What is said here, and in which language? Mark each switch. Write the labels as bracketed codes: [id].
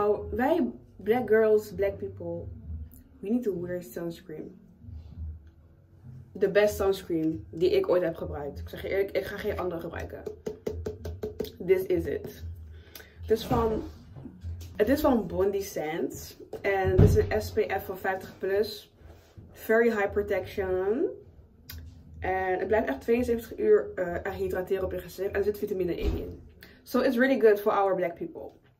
[nl] Wij [en] black girls, black people. We need to wear sunscreen. The best sunscreen [nl] die ik ooit heb gebruikt. Ik zeg je eerlijk, ik ga geen andere gebruiken. [en] This is it. [nl] Dus van... Het is van Bondi Sands. En het is een SPF van 50+. [en] Very high protection. [nl] En het blijft echt 72 uur hydrateren op je gezicht. En er zit vitamine E in. [en] So it's really good for our black people.